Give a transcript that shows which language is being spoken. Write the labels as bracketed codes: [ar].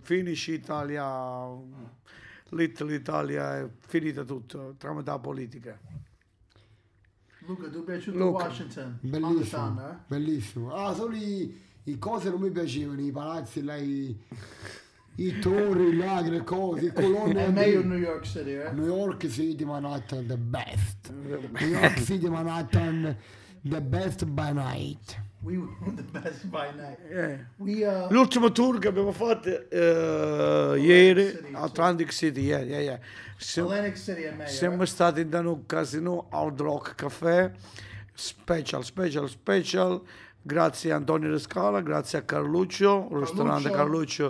[it] Finisce Italia, Little Italia, è finita tutto tramite la politica. Luca, ti è piaciuto Luca. Washington? Bellissimo. Ah, solo i cose non mi piacevano, i palazzi, i torri, là, le cose, le colonne. È meglio New York City, eh? [en] New York City, Manhattan, the best. New York City, Manhattan, the best by night. We were the best by night. Yeah. We, [it] l'ultimo tour che abbiamo fatto ieri, Atlantic City, Atlantic City è meglio. Siamo stati in un casino, Hard Rock Café, special. Grazie a Antonio Rescala, grazie a Carluccio, ristorante Carluccio.